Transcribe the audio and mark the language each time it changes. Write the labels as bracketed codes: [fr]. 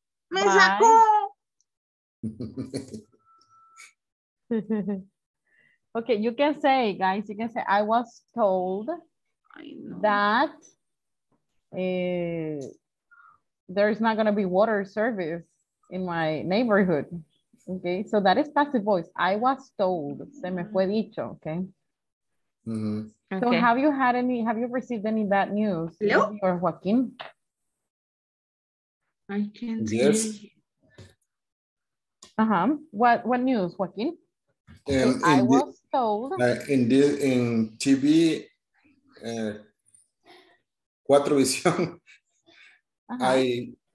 [es] Me sacó. [en] Okay, you can say, guys, you can say, I was told that there's not going to be water service in my neighborhood. Okay, so that is passive voice. I was told, [es] se me fue dicho, [en] okay? Mm-hmm. So okay. Have you had any, have you received any bad news? Hello? Or Joaquin? I can't yes. hear. Uh-huh. What news, Joaquin? I was told. In TV, Cuatro Vision, uh-huh.